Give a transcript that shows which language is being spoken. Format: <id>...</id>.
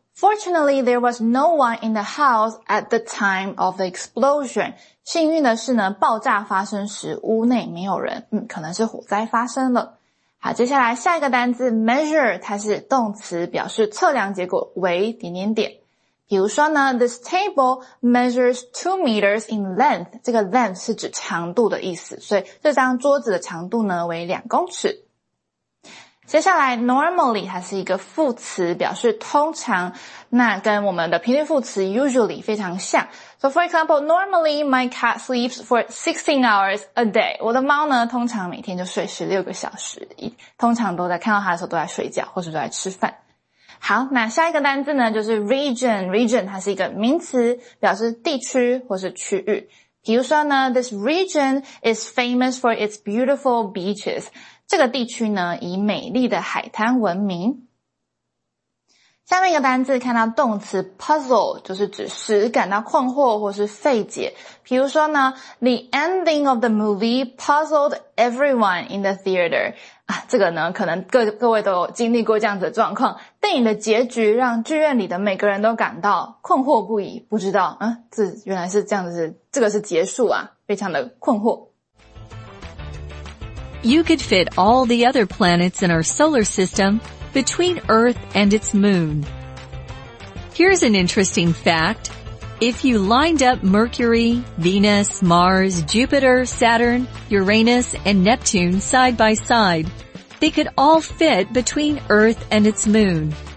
<en>Fortunately, there was no one in the house at the time of the explosion.</en> <zh>幸运的是呢，爆炸发生时屋内没有人。可能是火灾发生了。好，接下来下一个单字 measure， 它是动词，表示测量结果为点点点。比如说呢</zh> <en>，this table measures 2 meters in length。</en> <zh>这个 length 是指长度的意思，所以这张桌子的长度呢为2公尺。接下来 normally 它是一个副词，表示通常，那跟我们的频率副词 usually 非常像。</zh> <en>So for example, normally my cat sleeps for 16 hours a day.</en> <zh>我的猫呢通常每天就睡16个小时，通常都在看到它的时候都在睡觉或是都在吃饭。好，那下一个单字呢就是 region 它是一个名词，表示地区或是区域。比如说呢</zh> <en>this region is famous for its beautiful beaches。</en> <zh>这个地区呢以美丽的海滩闻名。下面一个单字看到动词 puzzle， 就是指使感到困惑或是费解。比如说呢</zh> <en>,the ending of the movie puzzled everyone in the theater。</en> <zh>啊，这个呢可能各位都有经历过这样子的状况。电影的结局让剧院里的每个人都感到困惑不已，不知道这原来是这样子，这个是结束啊，非常的困惑。</zh> <en>You could fit all the other planets in our solar system between Earth and its moon. Here's an interesting fact. If you lined up Mercury, Venus, Mars, Jupiter, Saturn, Uranus, and Neptune side by side, they could all fit between Earth and its moon.</en>